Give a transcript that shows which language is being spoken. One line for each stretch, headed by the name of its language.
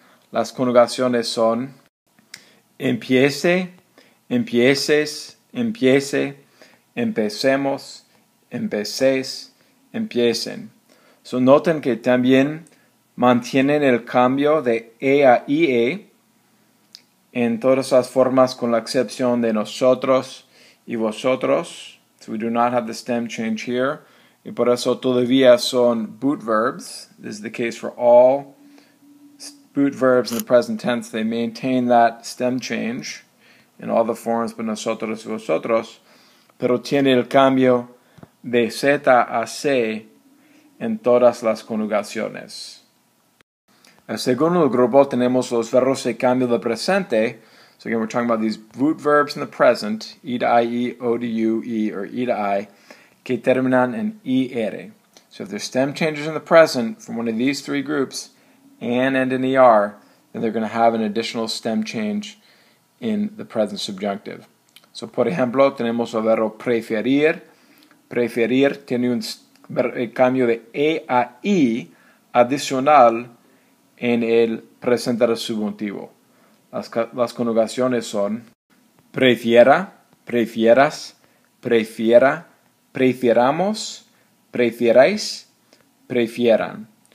Spanish: Las conjugaciones son empiece, empieces, empiece, empecemos, empecéis, empiecen. So, noten que también mantienen el cambio de E a IE en todas las formas con la excepción de nosotros y vosotros.
English: So, we do not have the stem change here.
Spanish: Y por eso todavía son
English: boot verbs. This is the case for all boot verbs in the present tense. They maintain that stem change in all the forms but nosotros y vosotros.
Spanish: Pero tiene el cambio de Z a C en todas las conjugaciones. El segundo grupo tenemos los verbos de cambio del presente.
English: So again, we're talking about these boot verbs in the present. E to I, E, O to U, E, or E to I,
Spanish: que terminan en IR.
English: So if there's stem changes in the present from one of these three groups, and end in ER, then they're going to have an additional stem change in the present subjunctive.
Spanish: So por ejemplo, tenemos el verbo preferir. Preferir tiene un cambio de E a I adicional en el presente del subjuntivo. Las conjugaciones son prefiera, prefieras, prefiera, prefieramos, prefierais, prefieran.